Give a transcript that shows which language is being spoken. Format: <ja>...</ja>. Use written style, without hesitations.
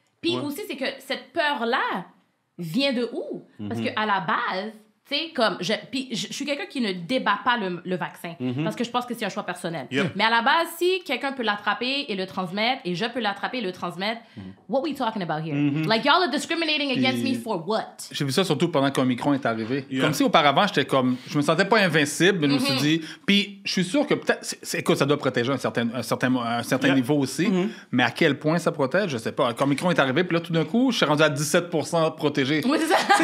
<fr>Puis ouais, aussi, c'est que cette peur-là vient de où? Parce mm-hmm, qu'à la base... C'est comme je suis quelqu'un qui ne débat pas le vaccin, mm-hmm, parce que je pense que c'est un choix personnel. Yep. Mais à la base, si quelqu'un peut l'attraper et le transmettre, et je peux l'attraper et le transmettre, mm-hmm,</fr> <en>what are we talking about here? Mm-hmm. Like, y'all are discriminating against me for what?</en> <fr>J'ai vu ça surtout pendant qu'Omicron est arrivé. Yeah. Comme si auparavant, j'étais comme... Je me sentais pas invincible, mais je me suis dit... Puis, je suis sûr que peut-être... Écoute, ça doit protéger un certain niveau aussi, mm-hmm, mais à quel point ça protège, je sais pas. Quand Omicron est arrivé, puis là, tout d'un coup, je suis rendu à 17% protégé. Oui, c'est ça.</fr>